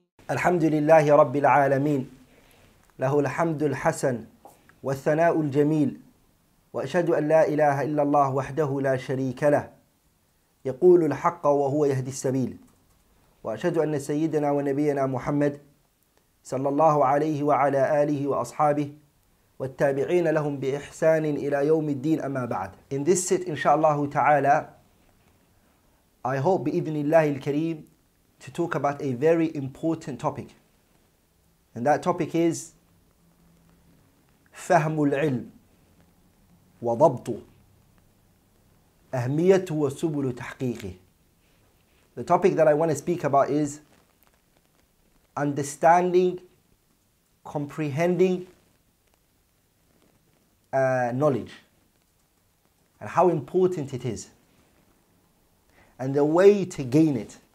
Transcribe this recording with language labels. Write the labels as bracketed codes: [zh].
[ar] الحمد لله رب العالمين، له الحمد الحسن والثناء الجميل، وأشهد أن لا إله إلا الله وحده لا شريك له، يقول الحق وهو يهدي السبيل، وأشهد أن سيدنا ونبينا محمد صلى الله عليه وعلى آله وأصحابه والتابعين لهم بإحسان إلى يوم الدين، أما بعد. [en] In this sit, inshallah ta'ala, I hope [ar] بإذن الله الكريم [en] to talk about a very important topic. And that topic is [ar] فهم العلم وضبطه أهميته وسبل تحقيقه. [en] The topic that I want to speak about is understanding, comprehending knowledge and how important it is and the way to gain it.